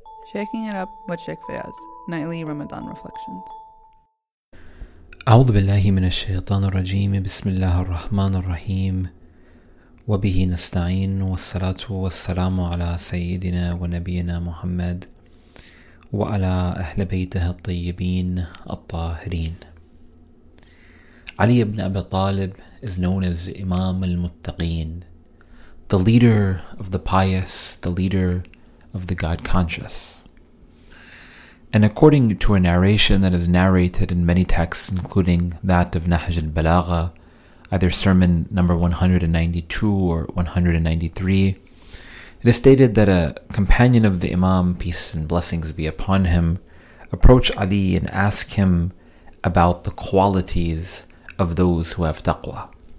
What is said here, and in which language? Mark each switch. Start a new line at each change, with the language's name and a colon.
English: Shaking it up with Sheikh Fayaz, nightly Ramadan reflections.
Arabic: أعوذ بالله من الشيطان الرجيم بسم الله الرحمن الرحيم وبه نستعين والصلاة والسلام على سيدنا ونبينا محمد وعلى أهل بيته الطيبين الطاهرين.
English: Ali ibn Abi Talib is known as Imam al-Muttaqeen, the leader of the pious, the leader of the God-conscious. And according to a narration that is narrated in many texts, including that of Nahj al-Balagha, either sermon number 192 or 193, it is stated that a companion of the Imam, peace and blessings be upon him, approached Ali and asked him about the qualities of those who have taqwa.